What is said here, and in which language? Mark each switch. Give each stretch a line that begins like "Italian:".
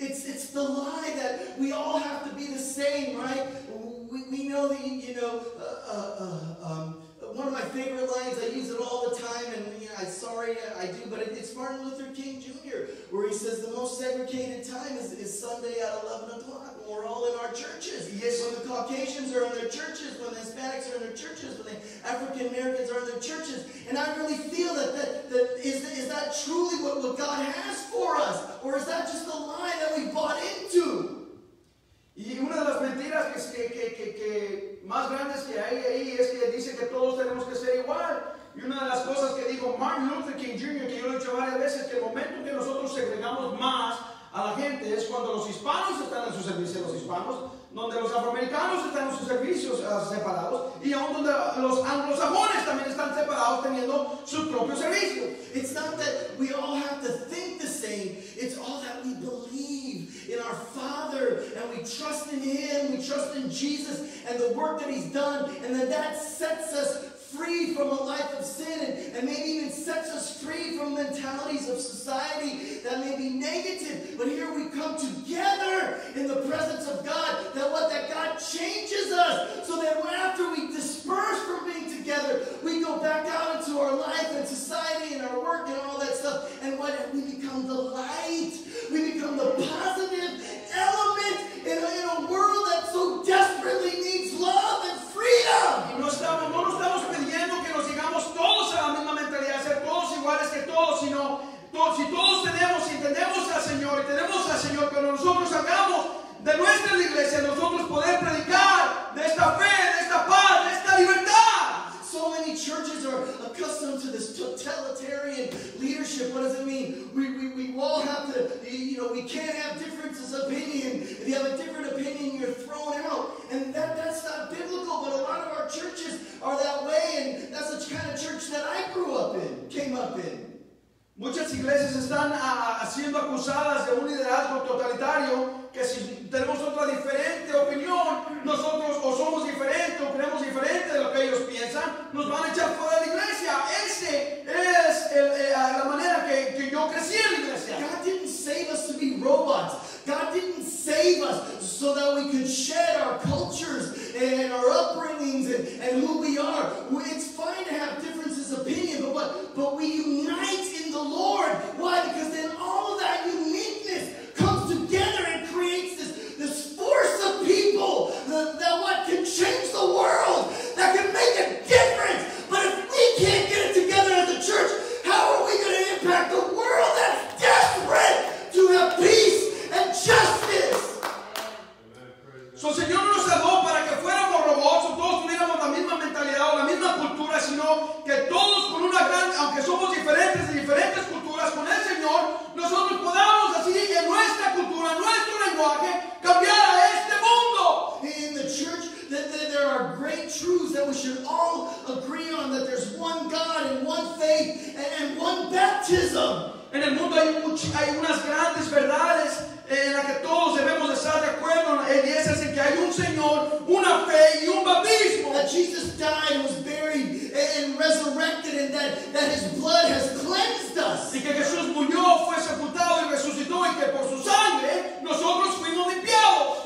English: It's the lie that we all have to be the same, right? We know that, one of my favorite lines, I use it all the time, and it's Martin Luther King Jr., where he says the most segregated time is Sunday at 11 o'clock. We're all in our churches. Yes. When the Caucasians are in their churches, when the Hispanics are in their churches, when the African Americans are in their churches. And I really feel that is that truly what God has for us? Or is that just a lie that we bought into?
Spanish: Y una de las mentiras que más grandes que hay ahí es que dice que todos tenemos que ser igual. Y una de las cosas que dijo Martin Luther King Jr., que yo lo he dicho varias veces, que el momento que nosotros segregamos más a la gente es cuando los hispanos están en sus servicios, los hispanos, donde los afroamericanos están en sus servicios separados, y aún donde los anglosajones también están separados teniendo su propio servicio.
English: It's not that we all have to think the same, it's all that we believe in our Father, and we trust in Him, we trust in Jesus and the work that He's done, and then that sets us free from a life of sin, and maybe even sets us free from mentalities of society that may be negative. But here we come together in the presence of God, that God changes us, so that after we disperse from being together, we go back out into our life and society and our work and all that stuff, and what? We become the light. We become the positive element in a world that so desperately needs love and freedom.
Spanish: No estamos pidiendo que nos llegamos todos a la misma mentalidad, ser todos iguales que todos, sino si todos tenemos y entendemos al Señor, y tenemos al Señor, pero nosotros salgamos de nuestra iglesia, nosotros poder predicar de esta fe, de esta paz, de esta libertad.
English: So many churches are accustomed to this totalitarian leadership. What does it mean? We all have to, we can't have differences of opinion. If you have a different opinion, you're thrown out. And that's not biblical, but a lot of our churches are that way, and that's the kind of church that I grew up in, came up in.
Spanish: Muchas iglesias están siendo acusadas de un liderazgo totalitario, que si tenemos otra diferente opinión, nosotros o somos diferentes o creemos diferente de lo que ellos piensan, nos van a echar fuera de la iglesia. Ese es la manera que yo crecí en la iglesia.
English: God didn't save us to be robots. God didn't save us so that we could shed our cultures and our upbringings and who we are. It's fine to have differences of opinion, but we unite. Lord. Why? Because then all of that uniqueness comes together and creates this, this force of people that, that what can change the world, that can make a difference. But if we can't get it together as a church, how are we going to impact the world that's desperate to have peace and justice?
Spanish: So, Señor, no nos salvó para que fuéramos robots o todos tuviéramos la misma mentalidad o la misma cultura, sino que todos con una gran, aunque somos diferentes de diferentes culturas, con el Señor, nosotros podamos así en nuestra cultura, nuestro lenguaje, cambiar a este mundo.
English: In the church, there are great truths that we should all agree on, that there's one God and one faith and one baptism.
Spanish: En el mundo hay, hay unas grandes verdades en la que todos debemos estar de acuerdo, en esas en que hay un Señor, una fe y un bautismo.
English: That Jesus died, was buried, and resurrected, and that his blood has cleansed us.
Spanish: Y que Jesús murió, fue sepultado y resucitó, y que por su sangre nosotros fuimos limpiados.